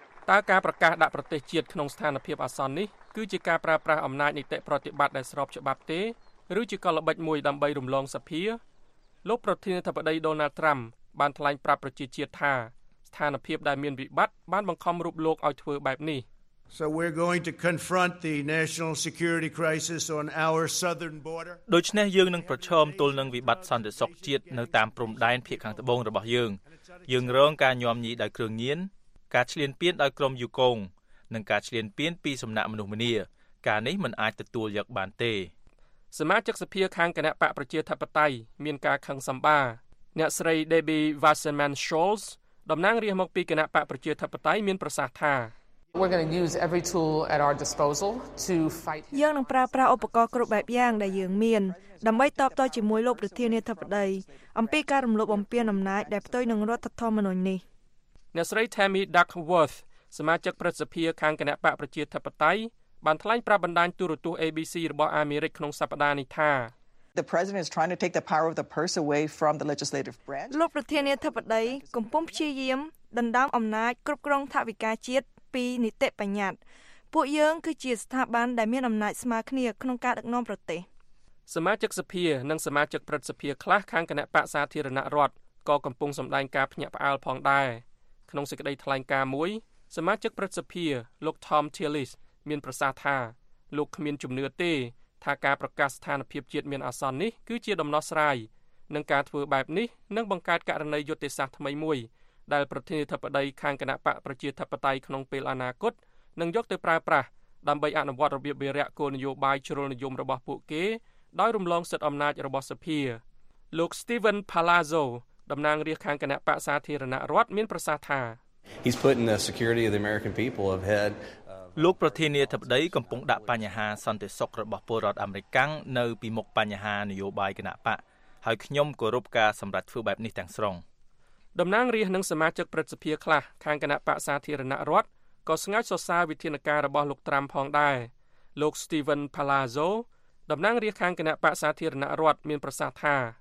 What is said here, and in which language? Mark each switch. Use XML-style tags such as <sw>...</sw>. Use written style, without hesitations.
<km>តើការប្រកាសដាក់ប្រទេសជាតិក្នុងស្ថានភាពអាសន្ននេះគឺជាការប្រើប្រាស់អំណាចនីតិប្រតិបត្តិដែលស្របច្បាប់ទេឬជាកលល្បិចមួយដើម្បីរំលងសភាលោកប្រធានាធិបតីដូណាល់ត្រាំបានថ្លែងប្រាប់ប្រជាជាតិថាស្ថានភាពដែលមានវិបត្តិបានបង្ខំរូបលោកឲ្យធ្វើបែបនេះ</km> <en>So we're going to confront the national security crisis on our southern border</en> <km>ដូច្នេះយើងនឹងប្រឈមទល់នឹងវិបត្តិសន្តិសុខជាតិនៅតាមព្រំដែនភាគខាងត្បូងរបស់យើងយើងរងការញាំញីដោយគ្រឿងញៀនការឈ្លានពានដោយក្រុមយូកុងនិងការឈ្លានពានពីសំណាក់មនុស្សម្នាការនេះមិនអាចទទួលយកបានទេ សមាជិកសភាខាងគណៈបកប្រជាធិបតេយ្យមានការខឹងសម្បាអ្នកស្រី Debbie Wasserman Scholz តំណាងរាស្ត្រមកពីគណៈបកប្រជាធិបតេយ្យមានប្រសាសន៍ថា</km> <en>We're going to use every tool at our disposal to fight</en> <km>យើងនឹងប្រើប្រាស់ឧបករណ៍គ្រប់បែបយ៉ាងដែលយើងមានដើម្បីតបតជាមួយលោកប្រធានាធិបតីអំពីការរំលោភបំពានអំណាចដែលផ្ទុយនឹងរដ្ឋធម្មនុញ្ញនេះ អ្នកស្រី Tammy Duckworth សមាជិកព្រឹទ្ធសភាខាងគណបកប្រជាធិបតេយ្យបានថ្លែងប្រាប់បណ្ដាញទូរទស្សន៍ ABC របស់អាមេរិកក្នុងសប្ដាហ៍នេះថា</km> <en>The president is trying to take the power of the purse away from the legislative branch</en> <km>លោកប្រធានាធិបតីកំពុងព្យាយាមដណ្ដើមអំណាចគ្រប់គ្រងថវិកាជាតិពីនីតិបញ្ញត្តិពួកយើងគឺជាស្ថាប័នដែលមានអំណាចស្មើគ្នាក្នុងការដឹកនាំប្រទេស សមាជិកសភានិងសមាជិកព្រឹទ្ធសភាខ្លះខាងគណៈបក្សសាធារណរដ្ឋក៏កំពុងសម្ដែងការភ្ញាក់ផ្អើលផងដែរក្នុងសេចក្តីថ្លែងការណ៍មួយសមាជិកព្រឹទ្ធសភាលោក Tom Tillis មានប្រសាសន៍ថា លោកគ្មានជំនឿទេថាការប្រកាសស្ថានភាពជាតិមានអាសន្ននេះគឺជាដំណោះស្រាយនឹងការធ្វើបែបនេះនឹងបង្កើតករណីយុត្តិសាស្ត្រថ្មីមួយដែលប្រធានាធិបតីខាងគណៈបកប្រជាធិបតេយ្យក្នុងពេលអនាគតនឹងយកទៅប្រើប្រាស់ដើម្បីអនុវត្តរបៀបវិរៈគោលនយោបាយជ្រុលនិយមរបស់ពួកគេដោយរំលងសិទ្ធិអំណាចរបស់សភាលោក Steven Palazzo តំណាងរាស្ត្រខាងគណៈបកសាធារណរដ្ឋមានប្រសាសន៍ថា</km> <en>He's putting the security of the American people ahead</en> <km>លោកប្រធានាធិបតីកំពុងដាក់បញ្ហាសន្តិសុខរបស់ពលរដ្ឋអាមេរិកនៅពីមុខបញ្ហានយោបាយគណៈបកហើយខ្ញុំគោរពការសម្រេចធ្វើបែបនេះទាំងស្រុង តំណាងរាស្ត្រនិងសមាជិកព្រឹទ្ធសភាខ្លះខាងគណៈបក្សសាធារណរដ្ឋក៏ស្ងើចសរសើរវិធានការរបស់លោកត្រាំផងដែរលោក Steven Palazzo តំណាងរាស្ត្រខាងគណៈបក្សសាធារណរដ្ឋមានប្រសាសន៍ថា</km>